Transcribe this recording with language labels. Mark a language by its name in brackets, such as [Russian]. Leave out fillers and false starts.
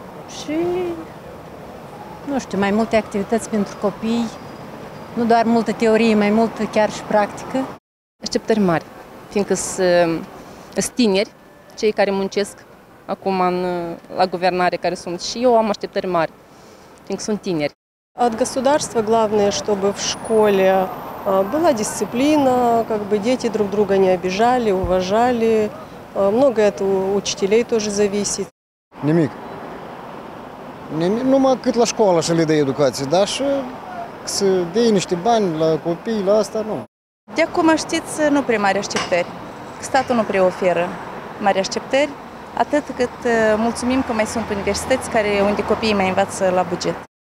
[Romanian] Și, nu știu, mai multe activități pentru copii, nu doar multă teorie, mai mult chiar și practică. Așteptări mari, fiindcă sunt tineri, cei care muncesc acum la guvernare, care sunt și eu am așteptări mari, fiindcă sunt tineri. [Russian] От государства главное, чтобы в школе была дисциплина, как бы дети друг друга не обижали, уважали. Многое от учителей тоже зависит. [Romanian] Nimic. Numai cât la școală să le dă educație, dar și să dea niște bani la copii, la asta, nu. De acum știți, nu prea mari așteptări. Statul nu prea oferă mari așteptări, atât cât mulțumim că mai sunt universități care unde copiii mai învață la buget.